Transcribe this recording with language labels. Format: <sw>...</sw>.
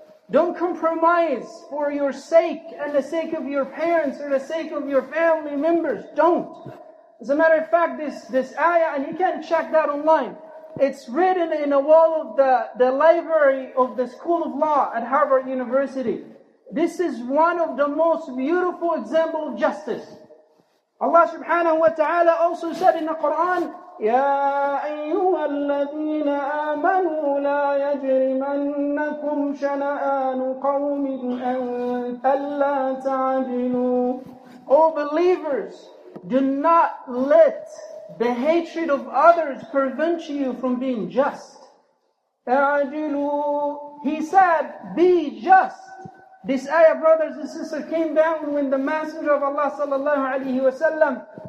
<en>Don't compromise for your sake and the sake of your parents or the sake of your family members. Don't. As a matter of fact, this ayah, and you can check that online, it's written in a wall of the library of the School of Law at Harvard University. This is one of the most beautiful examples of justice. Allah subhanahu wa ta'ala also said in the Quran,</en> <ar>يَا أَيُّهَا الَّذِينَ آمَنُوا لَا يَجْرِمَنَّكُمْ شَنَآنُ قَوْمٍ أَلَّا تَعْدِلُوا.</ar> <en>O believers, do not let the hatred of others prevent you from being just. أَعْدِلُوا. He said, be just. This ayah, brothers and sisters, came down when the Messenger of Allah sallallahu alayhi wa sallam</en>